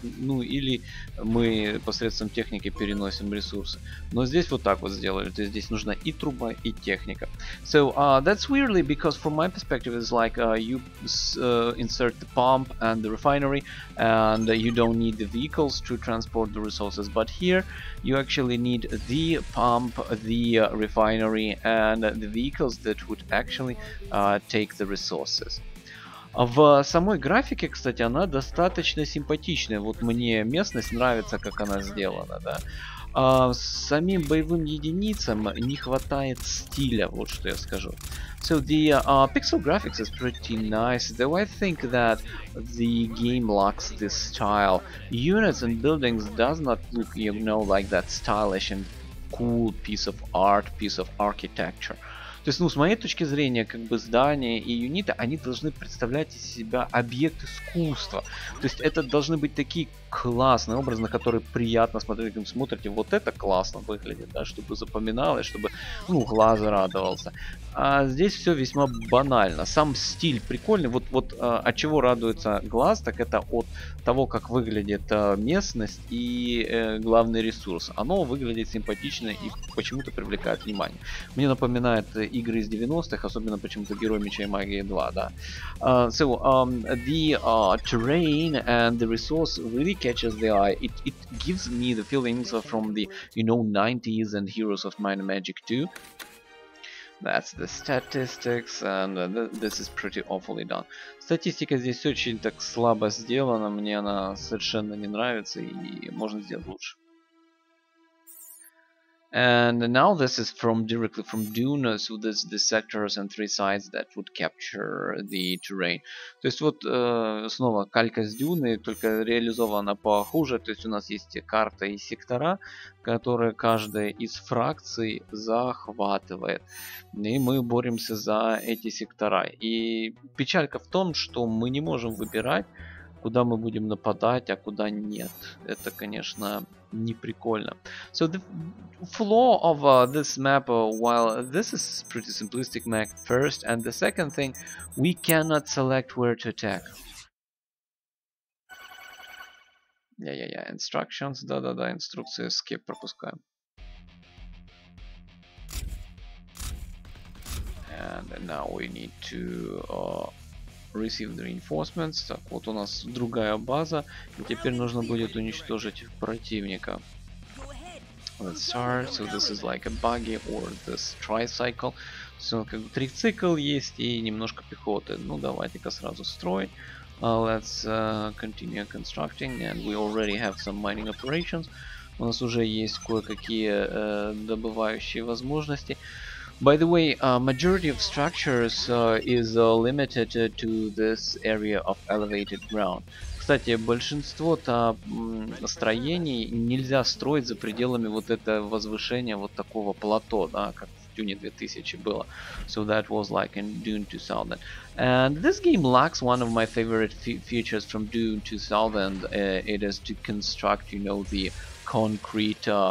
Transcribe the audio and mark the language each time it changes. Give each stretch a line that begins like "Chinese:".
Russian: Ну, или мы посредством техники переносим ресурсы. Но здесь вот так вот сделали, то есть здесь нужна и труба, и техника.
English: So, that's weirdly, because from my perspective, it's like you insert the pump and the refinery, and you don't need the vehicle to transport the resources, but here you actually need the pump, the refinery, and the vehicles that would actually take the resources.
Russian: В самой графике, кстати, она достаточно симпатичная. Вот мне местность нравится, как она сделана, да. Самим боевым единицам не хватает стиля, вот что я скажу.
English: So the pixel graphics is pretty nice, though I think that the game lacks this style. Units and buildings does not look, you know, like that stylish and cool piece of art, piece of architecture.
Russian: То есть, ну, с моей точки зрения, как бы здания и юниты, они должны представлять из себя объект искусства. То есть, это должны быть такие классные образы, на которые приятно смотреть, как вы смотрите. Вот это классно выглядит, да, чтобы запоминалось, чтобы, ну, глаз радовался. А здесь все весьма банально. Сам стиль прикольный. Вот, вот от чего радуется глаз, так это от того, как выглядит местность и главный ресурс. Оно выглядит симпатично и почему-то привлекает внимание. Мне напоминает игры из 90-х, особенно почему-то Герой Меча и Магии 2, да.
English: So, the terrain and the resource really catches the eye. It gives me the feelings from the, you know, 90s and Heroes of Might and Magic 2. That's the statistics, and this is pretty awfully done.
Russian: Статистика здесь очень так слабо сделана, мне она совершенно не нравится, и можно сделать лучше.
English: And now this is from directly from Dune, so this the sectors and three sides that would capture the terrain.
Russian: То есть вот снова калька с Дюны, только реализована похуже. То есть у нас есть карта и сектора, которые каждая из фракций захватывает. И мы боремся за эти сектора. И печалька в том, что мы не можем выбирать, куда мы будем нападать, а куда нет. Это, конечно, не прикольно.
English: So the flaw of this map, while this is pretty simplistic map first, and the second thing, we cannot select where to attack. Yeah. Instructions,
Russian: да-да-да, инструкции,
English: skip,
Russian: пропускаем.
English: And now we need to... receive the reinforcements.
Russian: Так, вот у нас другая база, и теперь нужно будет уничтожить противника.
English: Let's start. So this is like a buggy or this tricycle. So,
Russian: как бы трицикл есть и немножко пехоты. Ну, давайте-ка сразу строить.
English: Let's continue constructing, and we already have some mining operations.
Russian: У нас уже есть кое-какие добывающие возможности.
English: By the way, majority of structures is limited to this area of elevated ground.
Russian: Кстати, большинство-то строений нельзя строить за пределами вот этого возвышения, вот такого плато, да, как в Dune 2000 было.
English: So that was like in Dune 2000. And this game lacks one of my favorite features from Dune 2000. It is to construct, you know, the concrete...